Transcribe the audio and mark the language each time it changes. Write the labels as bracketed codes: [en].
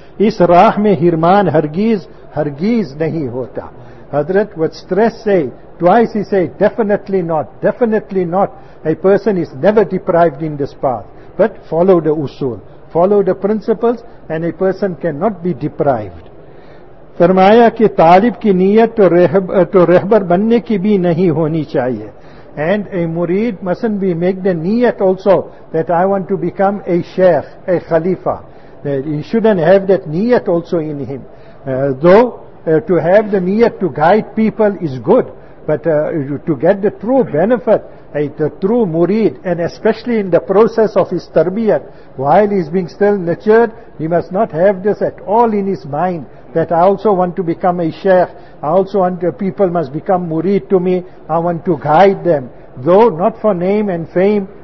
[ur] Is raah mein hirman hargiz nahi hota. [en] Hazrat would stress say, twice he say, definitely not, a person is never deprived in this path. But follow the usul, follow the principles, and a person cannot be deprived. [ur] فرمایا کہ طالب کی نیت تو رہبر بننے کی بھی نہیں ہونی چاہیے. [en] And a murid mustn't be make the niyat also that I want to become a sheikh, a khalifa. He shouldn't have that niyat also in him. Though to have the niyat to guide people is good, but to get the true benefit, the true murid, and especially in the process of his tarbiyat, while he is being still nurtured, he must not have this at all in his mind, that I also want to become a sheikh, I also want people must become murid to me, I want to guide them, though not for name and fame,